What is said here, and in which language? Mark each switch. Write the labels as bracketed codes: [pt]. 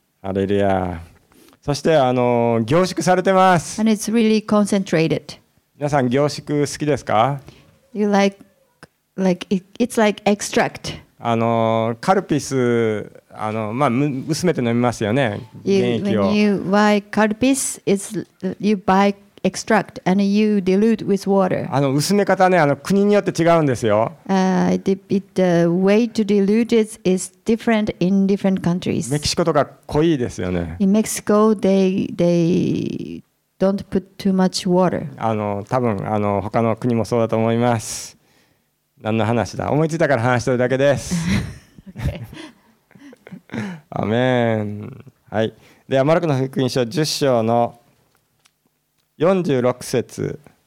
[ja] ハレルヤ。そして凝縮されてます。 [en] And it's really concentrated. [ja] 皆さん凝縮好きですか？ [en] You like it's like extract. [ja] カルピス薄めて飲みますよね。 [en] When you buy カルピス、it's you buy extract and you dilute with water. [ja] 薄め方ね、国によって違うんですよ。 [en] The way to dilute it is different in different countries. [ja] メキシコとか濃いですよね。 [en] In Mexico, they don't put too much water. [ja] 多分他の国もそうだと思います。何の話だ。思いついたから話してるだけです。アメン。はい。ではマルコの福音書10章の46節。